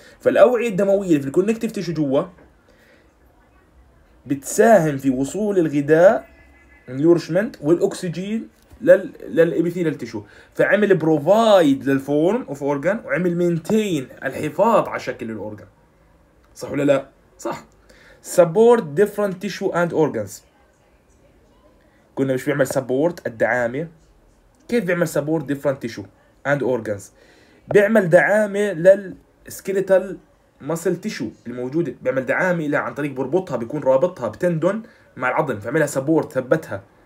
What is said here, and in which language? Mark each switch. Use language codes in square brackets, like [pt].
[ar] فالأوعية الدموية اللي في الكونكتيف تيشو جوا بتساهم في وصول الغذاء نيورشمنت والأكسجين للإبيثيليال تيشو. فعمل بروفايد للفورم أوف أورجان وعمل مينتين الحفاظ على شكل الأورجان. صح ولا لا؟ صح. [en] Support different tissue and organs. [ar] قلنا مش بيعمل support الدعامة. كيف بيعمل [en] support different tissue and organs؟ [ar] بيعمل دعامة لل skeletal muscle tissue الموجودة، بيعمل دعامة لها عن طريق بربطها، بيكون رابطها بتندون مع العظم، فعملها support ثبتها.